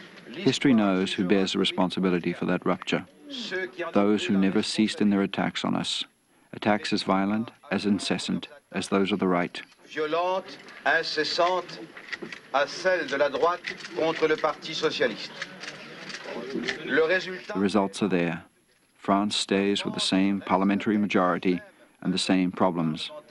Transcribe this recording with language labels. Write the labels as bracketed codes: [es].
[en] History knows who bears the responsibility for that rupture. Those who never ceased in their attacks on us. Attacks as violent, as incessant, as those of the right. [fr] Violente, incessante, à celle de la droite contre le Parti Socialiste. [en] The results are there. France stays with the same parliamentary majority and the same problems.